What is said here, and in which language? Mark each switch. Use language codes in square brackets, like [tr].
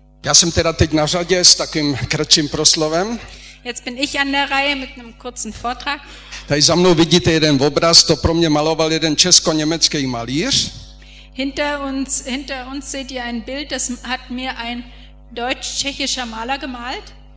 [cs] Já jsem teda teď na řadě s takým kratším proslovem. [de] Jetzt bin ich an der Reihe mit einem kurzen Vortrag. [cs] Tady za mnou vidíte jeden obraz, to pro mě maloval jeden česko-německý malíř. [de] Hinter uns seht ihr ein Bild, das hat mir ein deutsch-tschechischer Maler gemalt.